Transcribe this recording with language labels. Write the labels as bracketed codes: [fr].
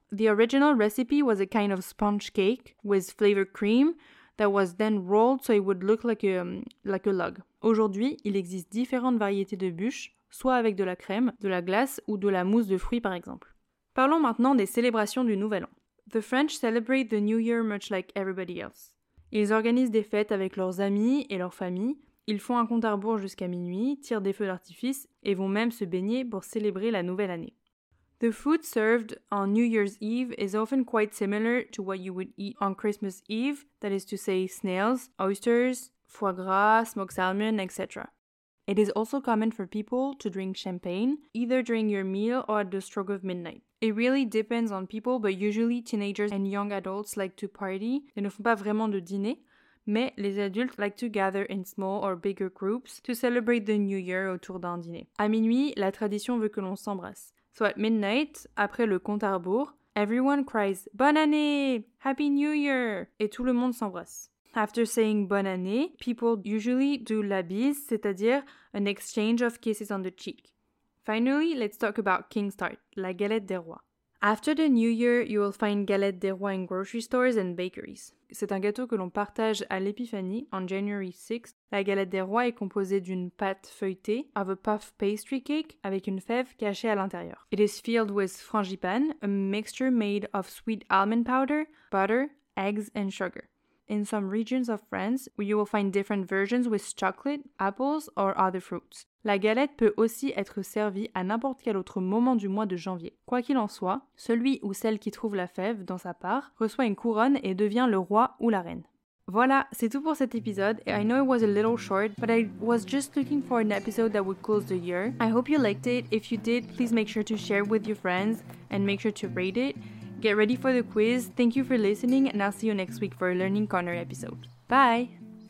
[en] The original recipe was a kind of sponge cake with flavored cream, that was then rolled so it would look like a log. [fr] Aujourd'hui, il existe différentes variétés de bûches, soit avec de la crème, de la glace ou de la mousse de fruits par exemple. Parlons maintenant des célébrations du Nouvel An. [en] The French celebrate the New Year much like everybody else. [fr] Ils organisent des fêtes avec leurs amis et leurs familles, ils font un compte à rebours jusqu'à minuit, tirent des feux d'artifice et vont même se baigner pour célébrer la nouvelle année. [en] The food served on New Year's Eve is often quite similar to what you would eat on Christmas Eve, that is to say snails, oysters, foie gras, smoked salmon, etc. It is also common for people to drink champagne, either during your meal or at the stroke of midnight. It really depends on people, but usually teenagers and young adults like to party. [fr] Ils ne font pas vraiment de dîner, mais les adultes [en] like to gather in small or bigger groups to celebrate the New Year [fr] autour d'un dîner. À minuit, la tradition veut que l'on s'embrasse. [en] So at midnight, [fr] après le compte à rebours, [en] everyone cries [fr] « Bonne année !»« [en] Happy New Year !» [fr] et tout le monde s'embrasse. [en] After saying « Bonne année », people usually do la bise, [fr] c'est-à-dire [en] an exchange of kisses on the cheek. Finally, let's talk about King's Tart, [fr] la galette des rois. [en] After the New Year, you will find galette des rois in grocery stores and bakeries. [fr] C'est un gâteau que l'on partage à l'épiphanie, [en] on January 6th. [fr] La galette des rois est composée d'une pâte feuilletée, [en] of a puff pastry cake, [fr] avec une fève cachée à l'intérieur. [en] It is filled with frangipane, a mixture made of sweet almond powder, butter, eggs and sugar. In some regions of France, you will find different versions with chocolate, apples or other fruits. [fr] La galette peut aussi être servie à n'importe quel autre moment du mois de janvier. Quoi qu'il en soit, celui ou celle qui trouve la fève dans sa part reçoit une couronne et devient le roi ou la reine. Voilà, c'est tout pour cet épisode. [en] I know it was a little short, but I was just looking for an episode that would close the year. I hope you liked it. If you did, please make sure to share with your friends and make sure to rate it. Get ready for the quiz. Thank you for listening, and I'll see you next week for a Learning Corner episode. Bye!